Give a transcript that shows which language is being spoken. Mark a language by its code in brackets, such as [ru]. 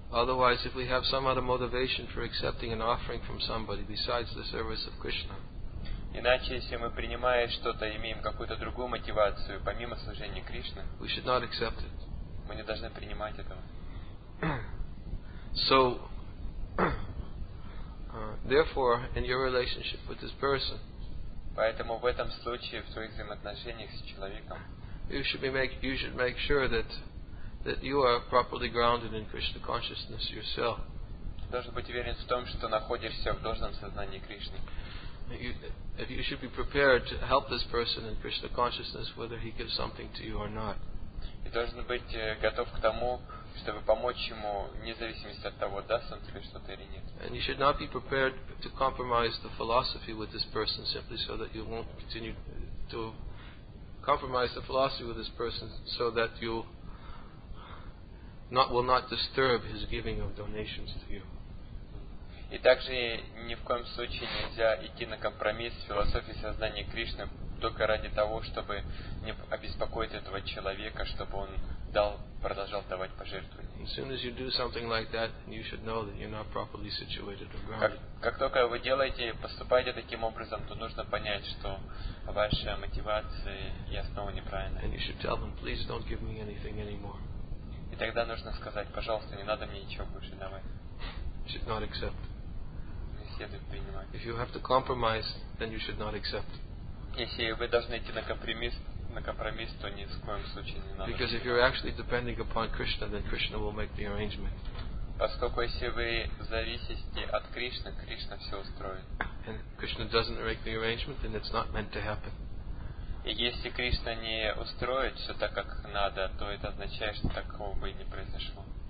[en] Otherwise, if we have some other motivation for accepting an offering from somebody besides the service of Krishna. [ru] Иначе, если мы принимая что-то, имеем какую-то другую мотивацию помимо служения Кришне, [en] we should not accept it. [ru] Мы не должны принимать этого. [en] So, therefore, in your relationship with this person, [ru] поэтому в этом случае в твоих взаимоотношениях с человеком [en] you should make sure that you are properly grounded in Krishna consciousness yourself. [ru] Ты должен быть уверен в том, что находишься в должном сознании Кришны. [en] You should be prepared to help this person in Krishna consciousness whether he gives something to you or not. [ru] Ты должен быть готов к тому, чтобы помочь ему, вне зависимости от того, даст он тебе что-то или нет. [en] And you should not be prepared to compromise the philosophy with this person simply so that you won't continue to compromise the philosophy with this person so that you not will not disturb his giving of donations to you. [ru] И также ни в коем случае нельзя идти на компромисс с философией сознания Кришны только ради того, чтобы не обеспокоить этого человека, чтобы он продолжал давать пожертвования. [en] As soon as you do something like that, you should know that you're not properly situated or grounded. [ru] Как только вы делаете, поступаете таким образом, то нужно понять, что ваша мотивация и основа неправильная. [en] And you should tell them, please don't give me anything anymore. [ru] И тогда нужно сказать, пожалуйста, не надо мне ничего больше давать. [en] You should not accept. [ru] Не следует принимать. [en] If you have to compromise, then you should not accept. [ru] Если вы должны идти на компромисс, то ни в коем случае не надо. [en] Because if you're actually depending upon Krishna, then Krishna will make the arrangement. [ru] Поскольку если вы зависите от Кришны, Кришна все устроит. [en] And Krishna doesn't make the arrangement, then it's not meant to happen. [ru] И если Кришна не устроит все так, как надо, то это означает, что такого бы и не произошло.